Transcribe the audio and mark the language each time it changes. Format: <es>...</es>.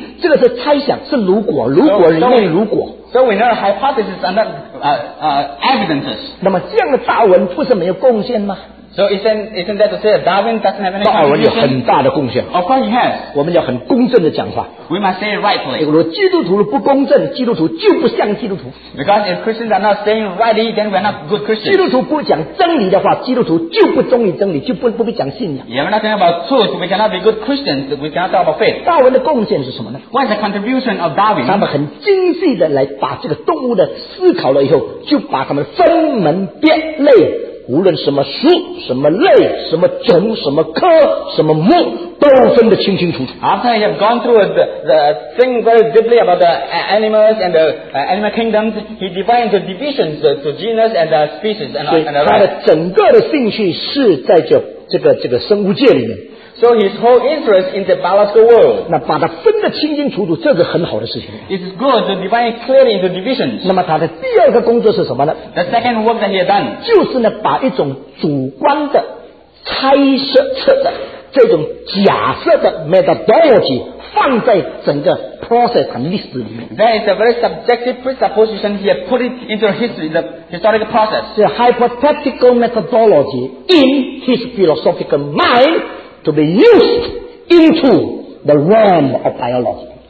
<zh>所以呢这个假设如果我们可以猜想这些东西根本不是证据这个是猜想是如果如果里面如果</zh> <en>So we know the hypothesis are not evidences</en> <zh>那么这样的大文不是没有贡献吗</zh> <en>So isn't that to say that Darwin doesn't have any contribution?</en> <zh>达尔文有很大的贡献。</zh> <en>Of course he has.</en> <zh>我们要很公正的讲话。</zh> <en>We must say it rightly.</en> <zh>如果基督徒不公正, 基督徒就不像基督徒。</zh> <en>Because if Christians are not saying rightly, then we are not good Christians.</en> <zh>基督徒不讲真理的话, 基督徒就不忠于真理, 就不必讲信仰。</zh> <en>Yeah, we're not talking about truth, we cannot be good Christians, we cannot talk about faith.</en> <zh>达尔文的贡献是什么呢?</zh> <en>What is the contribution of Darwin?</en> <zh>他们很精细的来把这个动物的思考了以后, 就把它们分门别类。无论什么树、什么类、什么种、什么科、什么木 都分得清清楚楚</zh> <en>After you have gone through the thing very deeply about the animals and the animal kingdoms he divided into divisions to genus and species and the rest</en> <zh>所以他的整个的兴趣是在这个生物界里面</zh> <en>So his whole interest in the biological world.</en> <zh>那把它分得清清楚楚, 这是很好的事情。</zh> <en>It is good to divide it clearly into divisions.</en> <zh>那么他的第二个工作是什么呢?</zh> <en>The second work that he had done.</en> <zh>就是呢把一种主观的猜测的 这种假设的 methodology 放在整个 process 和历史里面。</zh> <en>There is a very subjective presupposition here, put it into history, the historical process. The hypothetical methodology in his philosophical mind to be used into the realm of biology.</en>